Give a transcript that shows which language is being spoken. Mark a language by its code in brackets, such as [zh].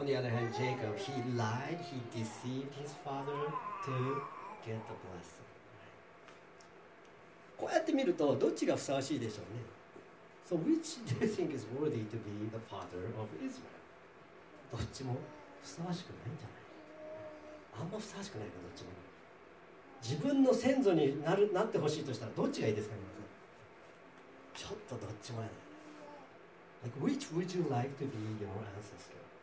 [en] On the other hand, Jacob, he lied, he deceived his father to get the blessing. [ja] こうやって見ると、どっちがふさわしいでしょうね。 [en] So which do you think is worthy to be the father of Israel? [ja] どっちもふさわしくないんじゃない？あんまふさわしくないか、どっちも。自分の先祖になる、なってほしいとしたら、どっちがいいですかね。ちょっとどっちもやね。 [en] Like, which would you like to be your ancestor?